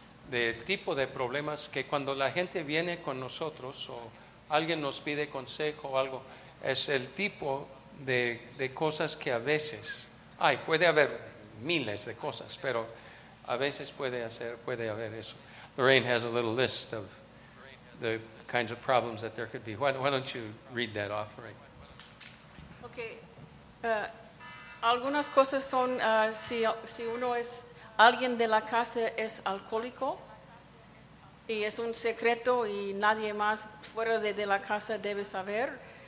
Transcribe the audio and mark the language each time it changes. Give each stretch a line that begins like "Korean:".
Spanish: del tipo de problemas que cuando la gente viene con nosotros o alguien nos pide consejo o algo, es el tipo de cosas que a veces hay. Puede haber miles de cosas, pero a veces puede haber eso.
English: Lorraine has a little list of the kinds of problems that there could be. Why don't you read that off, Lorraine? Okay.
Spanish: Algunas cosas son si uno es alguien de la casa es alcohólico y es un secreto y nadie más fuera de la casa debe saber.